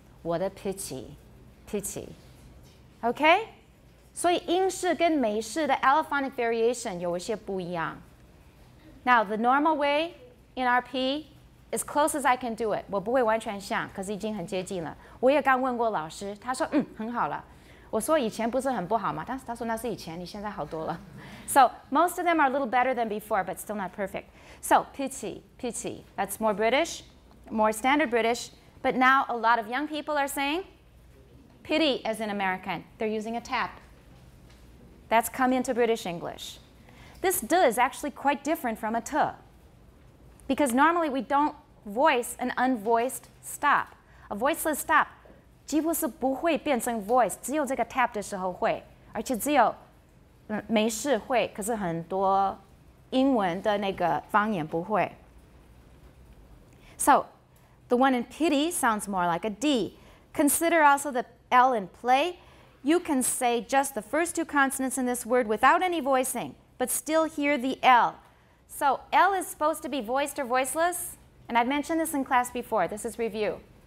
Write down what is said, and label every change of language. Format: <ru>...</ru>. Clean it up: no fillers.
<en>What a pity！</en> <zh>OK， 所以英式跟美式的 allophonic variation 有一些不一样。</zh> <en>Now the normal way in RP is close as I can do it，</en> <zh>我不会完全像，可是已经很接近了。我也刚问过老师，他说很好了。我说以前不是很不好吗？但是他说那是以前，你现在好多了。</zh> <en>So most of them are a little better than before, but still not perfect. So pity, pity. That's more British, more standard British. But now a lot of young people are saying pity as in American. They're using a tap. That's come into British English. This d is actually quite different from a t. Because normally we don't voice an unvoiced stop. A voiceless stop.</en> <zh>几乎是不会变成 voice， 只有这个 tap 的时候会，而且只有美式会，可是很多英文的那个方言不会。</zh> <en>So, the one in pity sounds more like a D. Consider also the L in play. You can say just the first two consonants in this word without any voicing, but still hear the L. So, L is supposed to be voiced or voiceless, and I've mentioned this in class before, this is review.</en>